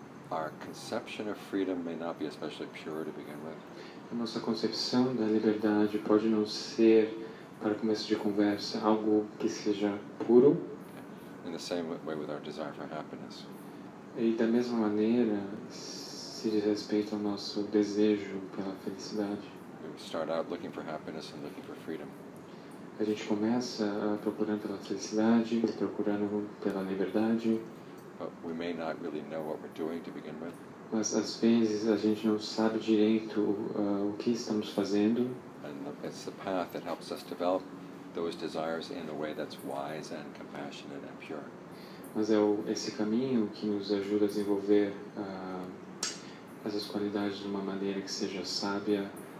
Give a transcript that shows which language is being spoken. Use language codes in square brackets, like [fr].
[en] Our conception of freedom may not be especially pure to begin with. [pt] A nossa concepção da liberdade pode não ser, para começo de conversa, algo que seja puro. [en] In the same way with our desire for happiness. [pt] E da mesma maneira, se diz respeito ao nosso desejo pela felicidade. [en] We start out looking for happiness and looking for freedom. [pt] A gente começa procurando pela felicidade, procurando pela liberdade. [en] But we may not really know what we're doing to begin with. [pt] Mas às vezes a gente não sabe direito o que estamos fazendo. [en] And it's the path that helps us develop those desires in a way that's wise and compassionate and pure. [pt] Mas é esse caminho que nos ajuda a desenvolver essas qualidades de uma maneira que seja sábia,